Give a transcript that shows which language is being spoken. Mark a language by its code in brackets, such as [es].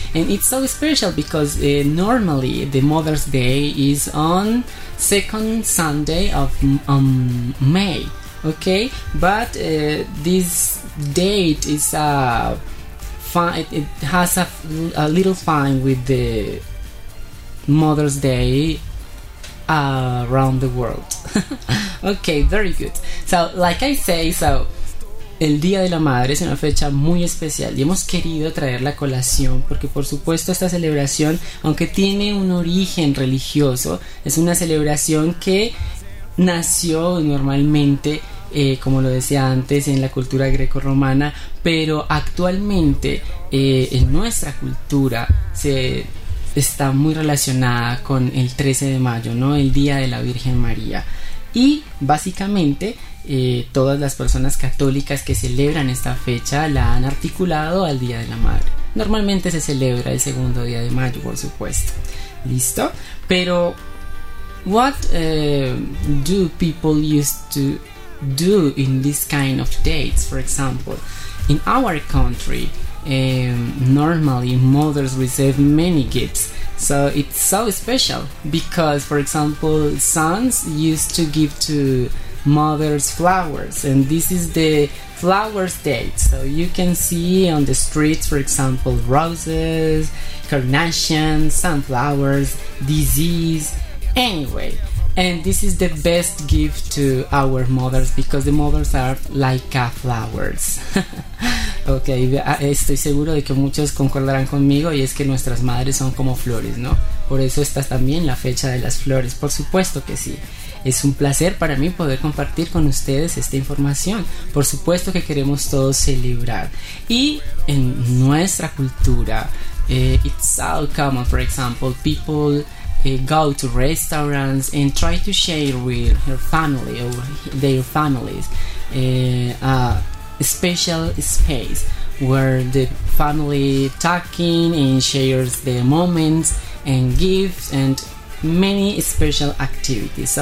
[en] And it's so special because normally the Mother's Day is on second Sunday of May, okay? But this date is it has a little fine with the Mother's Day around the world. Okay, very good. So like I say, so [es] el Día de la Madre es una fecha muy especial y hemos querido traerla a colación porque, por supuesto, esta celebración, aunque tiene un origen religioso, es una celebración que nació normalmente, como lo decía antes, en la cultura greco-romana, pero actualmente en nuestra cultura está muy relacionada con el 13 de mayo, ¿no? El Día de la Virgen María. Y básicamente todas las personas católicas que celebran esta fecha la han articulado al Día de la Madre. Normalmente se celebra el segundo día de mayo, por supuesto. ¿Listo? [en] Pero what do people used to do in this kind of dates? For example, in our country, normally mothers receive many gifts. So it's so special because, for example, sons used to give to mothers flowers, and this is the flowers date. So you can see on the streets, for example, roses, carnations, sunflowers, disease, anyway. And this is the best gift to our mothers because the mothers are like flowers. [es] Okay, estoy seguro de que muchos concordarán conmigo, y es que nuestras madres son como flores, ¿no? Por eso está también la fecha de las flores, por supuesto que sí. Es un placer para mí poder compartir con ustedes esta información. Por supuesto que queremos todos celebrar. Y en nuestra cultura, [en] it's so common, for example, people go to restaurants and try to share with her family or their families a special space where the family talking and shares their moments and gifts and many special activities.